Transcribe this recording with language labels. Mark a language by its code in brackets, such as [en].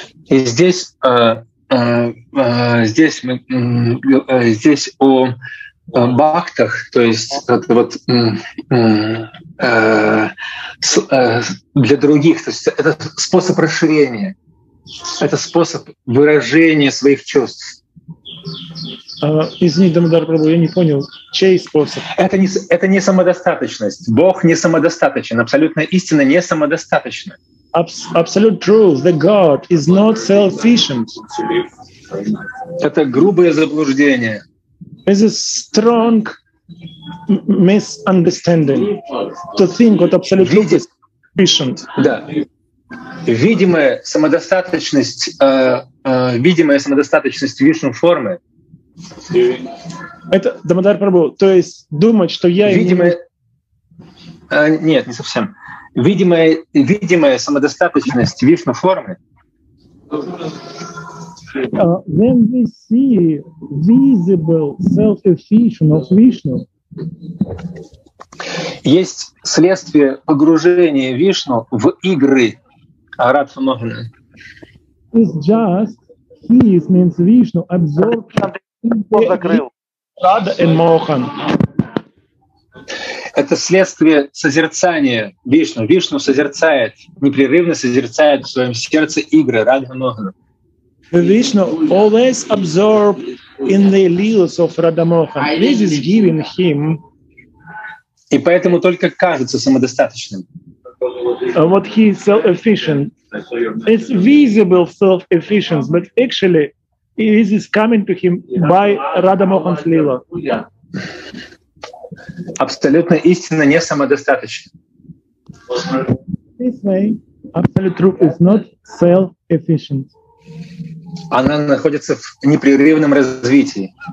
[ru] И здесь, здесь мы, здесь о бхактах, то есть это вот для других, то есть это способ расширения, это способ выражения своих чувств. Извини, Дамодар Прабху, я не понял, чей способ? Это не самодостаточность. Бог не самодостаточен, абсолютная истина не самодостаточна. [en] Absolute truth, the God is not self-sufficient. [ru] Это грубое заблуждение. [en] It's a strong misunderstanding to think that absolute truth is sufficient. [ru] Да. Видимая самодостаточность вишну формы. Это Дамодар Прабху, то есть думать, что я... Видимая... Нет, не совсем. Видимая самодостаточность вишну формы. [en] When we see visible self-efficient of Vishnu. [ru] Есть следствие погружения Вишну в игры. Аратфа Могана. [en] It's just his means Vishnu absorption. [ru] Рада и Мохан. Это следствие созерцания Вишну. Вишну созерцает, непрерывно созерцает в своем сердце игры Радха Могана. [en] Vishnu always absorbed in the lilas of Radha Mohan. This is giving him. [ru] И поэтому только кажется самодостаточным. [en] What he is self-efficient. It's visible self-efficiency, but actually this is coming to him by Radha Mohan's lila. [ru] Абсолютная истина не самодостаточна. [en] This way, absolute truth is not self-efficient. [ru] Она находится в непрерывном развитии.